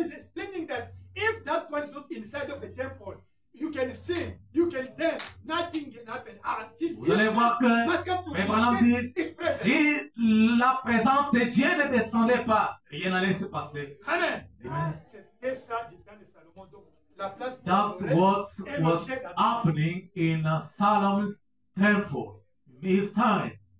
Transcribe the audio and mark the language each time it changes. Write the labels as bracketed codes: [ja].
[en] is explaining that if that one is not inside of the temple, you can sing, you can dance, nothing can happen until [fr] vous allez voir que [en] Brother [fr] Branham dit, si la présence de Dieu ne descendait pas, rien n'allait se passer. Amen. Amen. C'était ça du temps de Salomon. Donc, la place pour [en] that what was happening in Solomon's temple in his time.